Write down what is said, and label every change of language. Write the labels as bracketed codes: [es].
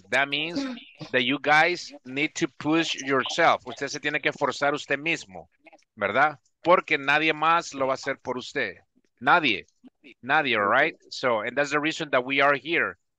[en] That means that you guys need to push yourself. [es] Usted se tiene que forzar usted mismo, ¿verdad? Porque nadie más lo va a hacer por usted. Nadie. Nadie, [en] all right? So, and that's the reason that we are here.